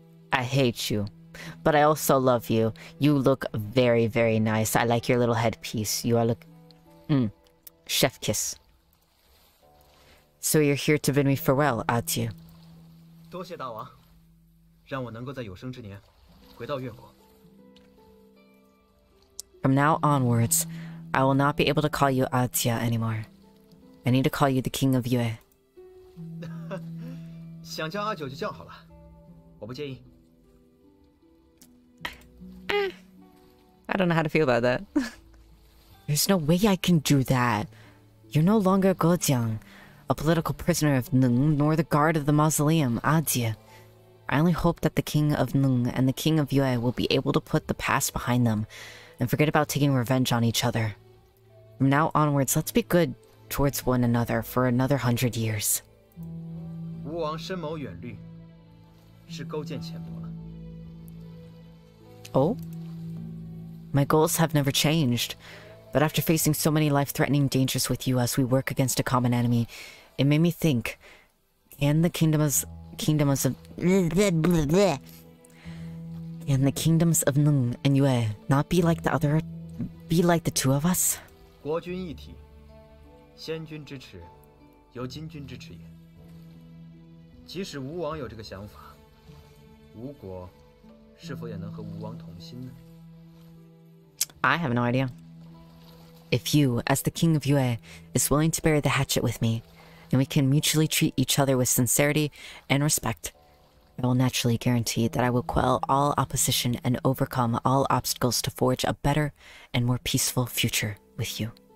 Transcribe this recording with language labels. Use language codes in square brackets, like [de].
[en] I hate you. But I also love you. You look very, very nice. I like your little headpiece. You are look... Chef kiss. So you're here to bid me farewell, adieu. [zh] 多谢大王，让我能够在有生之年回到越国。 [en] From now onwards, I will not be able to call you adieu anymore. I need to call you the King of Yue. [zh] 想叫阿九就叫好了，我不介意。 [en] I don't know how to feel about that. There's no way I can do that. You're no longer Gojiang, a political prisoner of Nung, nor the guard of the mausoleum, Adia. I only hope that the King of Nung and the King of Yue will be able to put the past behind them and forget about taking revenge on each other. From now onwards, let's be good towards one another for another 100 years. [zh] 吴王深谋远虑，是勾践浅薄了。 [en] Oh? My goals have never changed, but after facing so many life-threatening dangers with you as we work against a common enemy, it made me think, can the kingdoms of Nung and Yue not be like the other, be like the two of us? [zh] 国君一体，先君之耻，由今君之耻也。即使吴王有这个想法，吴国是否也能和吴王同心呢？ [en] I have no idea. if you, as the King of Yue, is willing to bury the hatchet with me, and we can mutually treat each other with sincerity and respect, I will naturally guarantee that I will quell all opposition and overcome all obstacles to forge a better and more peaceful future with you.